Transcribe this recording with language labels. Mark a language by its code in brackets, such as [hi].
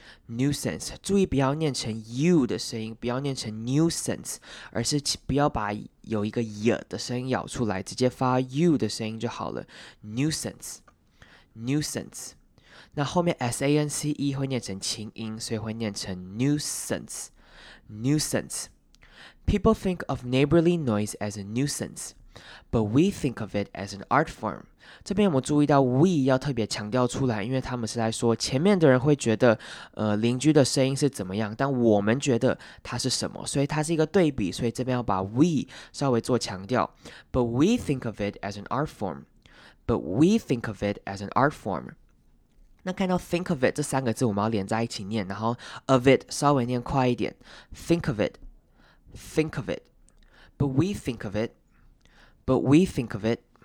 [zh] Nuisance， 注意不要念成 u 的声音，不要念成 nuisance， 而是不要把有一个 y 的声音咬出来，直接发 u 的声音就好了。Nuisance. Nuisance. 那后面 SANCE 会念成轻音，所以会念成 nuisance。Nuisance. [en] People think of neighborly noise as a nuisance, but we think of it as an art form. [zh] 这边我们注意到 we 要特别强调出来，因为他们是在说前面的人会觉得，邻居的声音是怎么样，但我们觉得它是什么，所以它是一个对比，所以这边要把 we 稍微做强调。 [en] But we think of it as an art form. But we think of it as an art form. [zh] 那看到 think of it 这三个字，我们要连在一起念，然后 of it 稍微念快一点 ， [en] think of it， think of it， but we think of it， but we think of it，